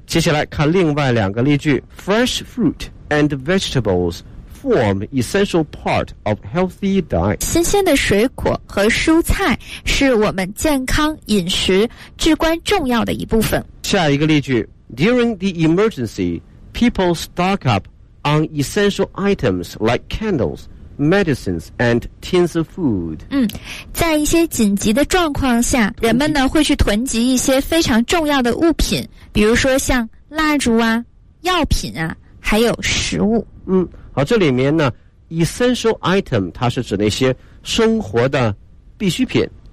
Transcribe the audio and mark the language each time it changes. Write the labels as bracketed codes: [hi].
[zh] 接下来看另外两个例句， [en] Fresh fruit and vegetables form essential part of healthy diet。 [zh] 新鲜的水果和蔬菜是我们健康饮食至关重要的一部分。下一个例句， [en] During the emergency people stock up on essential items like candles, medicines, and tins of food. [zh] 在一些紧急的状况下，人们呢会去囤积一些非常重要的物品，比如说像蜡烛啊、药品啊，还有食物。好，这里面呢 ，essential item 它是指那些生活的必需品。